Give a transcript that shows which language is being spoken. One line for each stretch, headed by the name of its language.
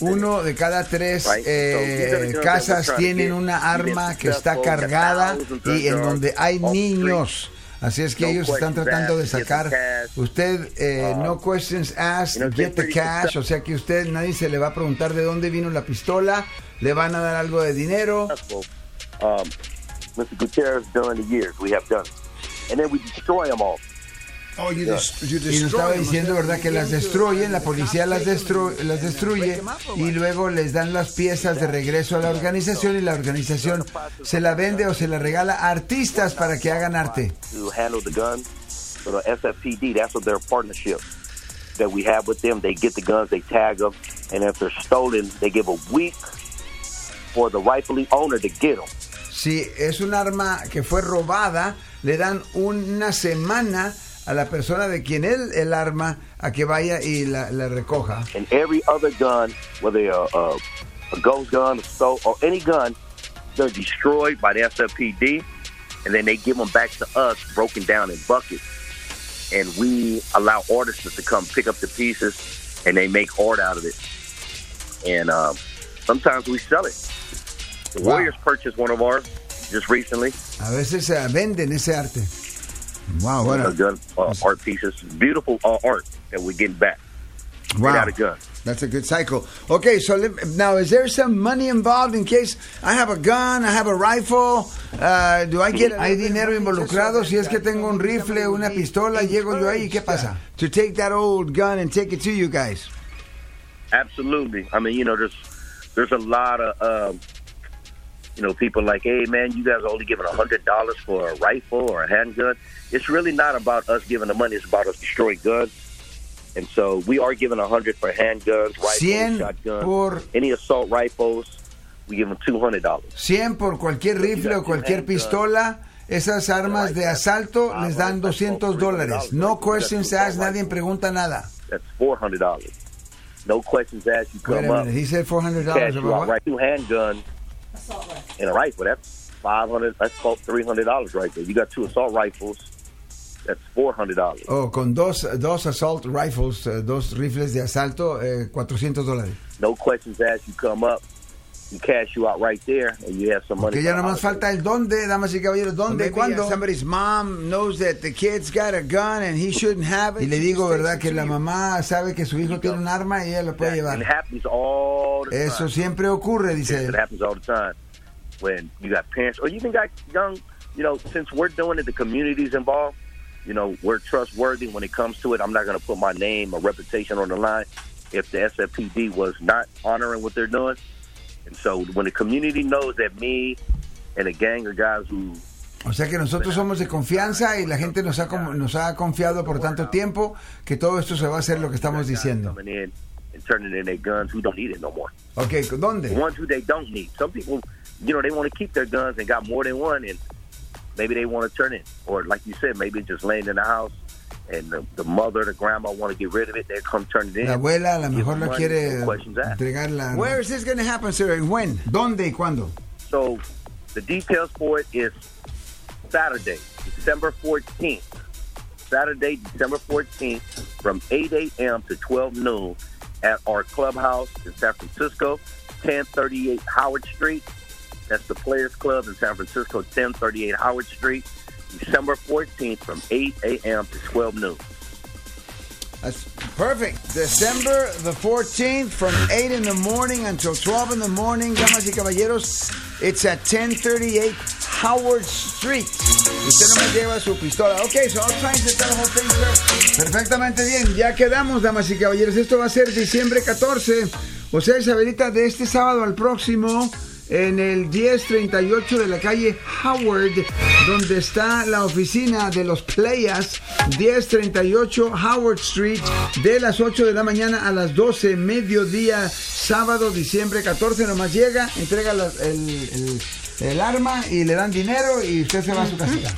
Spanish: Uno de cada tres casas tienen una arma que está cargada y en donde hay niños. Así es que ellos están tratando de sacar. Usted,
English: no questions asked, get the cash.
Spanish: O sea que usted, nadie se le va a preguntar de dónde vino la pistola. Le van a dar algo de dinero.
English: Mr. Gutierrez, done in years. We have done. And then we destroy them all.
Spanish: Y nos estaba diciendo, ¿verdad?, que las destruyen, la policía las destruye y luego les dan las piezas de regreso a la organización, y la organización se la vende o se la regala a artistas para que hagan arte.
English: SFPD, that's their partnership that we have with them. They get the guns, they tag them, and if they're stolen, they give a week for the rightful owner to get them.
Spanish: Si es un arma que fue robada, le dan una semana a la persona de quien él el arma a que vaya y la recoja.
English: And every other gun, whether a ghost gun, a stow, or any gun, they're destroyed by the SFPD, and then they give them back to us, broken down in buckets, and we allow artists to come pick up the pieces, and they make art out of it, and sometimes we sell it. The Warriors purchased one of ours just recently.
Spanish: A veces se venden ese arte.
English: Wow, what a gun, art pieces, beautiful art that we're getting back. Wow, without a gun. That's a good cycle. Okay, so now is there some money involved in case I have a gun, I have a rifle? Do I get
Spanish: hay dinero involucrado si es que tengo un rifle, una pistola, llego yo ahí, ¿qué pasa?
English: To take that old gun and take it to you guys. Absolutely. I mean, you know, there's a lot of you know, people like, hey man, you guys are only giving $100 for a rifle or a handgun. It's really not about us giving the money, it's about us destroying guns. And so we are giving $100 for handguns, rifles, shotguns,
Spanish: por
English: any assault rifles, we give them $200.
Spanish: 100 por cualquier rifle o cualquier pistola, esas armas de asalto les dan $200.
English: No questions asked,
Spanish: nadie pregunta nada.
English: That's $400. No questions asked, you come up. He said $400. Right, two handguns and a rifle, that's $500, that's called $300 right there. You got two assault rifles, that's $400.
Spanish: Oh, con dos
English: assault rifles,
Spanish: dos rifles de asalto, $400.
English: No questions asked, you come up, you cash you out right there, and you have some money.
Spanish: Okay, ya nomás falta el dónde, damas y caballeros, dónde, cuándo.
English: Somebody's mom knows that the kid's got a gun and he shouldn't have it.
Spanish: Y le digo, ¿verdad?, que la mamá sabe que su hijo tiene un arma y ella lo puede llevar.
English: It happens all the time.
Spanish: Eso siempre ocurre, dice él.
English: It happens all the time. When you got parents, or you even got young, you know, since we're doing it, the community's involved, you know, we're trustworthy when it comes to it. I'm not going to put my name or reputation on the line if the SFPD was not honoring what they're doing. And so when the community knows that me and a gang of guys who...
Spanish: O sea que nosotros somos de confianza y la gente nos ha confiado por tanto tiempo que todo esto se va a hacer lo que estamos diciendo.
English: And turning in their guns who don't need it no more.
Spanish: Okay, ¿dónde?
English: The ones who they don't need. Some people... You know, they want to keep their guns and got more than one, and maybe they want to turn it. Or, like you said, maybe just laying in the house, and the mother, the grandma want to get rid of it, they come turn it in.
Spanish: La abuela, a lo mejor la quiere entregarla.
English: Where is this going to happen, sir, and when?
Spanish: ¿Dónde y cuándo?
English: So, the details for it is Saturday, December 14th. Saturday, December 14th from 8 a.m. to 12 noon at our clubhouse in San Francisco, 1038 Howard Street. That's the Players Club in San Francisco, 1038 Howard Street. December 14th from 8 a.m. to 12 noon. That's perfect. December the 14th from 8 in the morning until 12 in the morning.
Spanish: Damas y caballeros,
English: it's at 1038 Howard Street.
Spanish: Usted no me lleva su pistola.
English: Okay, so I'll try and set the whole thing up.
Spanish: Perfectamente bien. Ya quedamos, damas y caballeros. Esto va a ser diciembre 14. O sea, Isabelita, de este sábado al próximo, en el 1038 de la calle Howard, donde está la oficina de los Playas, 1038 Howard Street, de las 8 de la mañana a las 12, mediodía, sábado, diciembre 14, nomás llega, entrega el arma y le dan dinero y usted se va a su casita.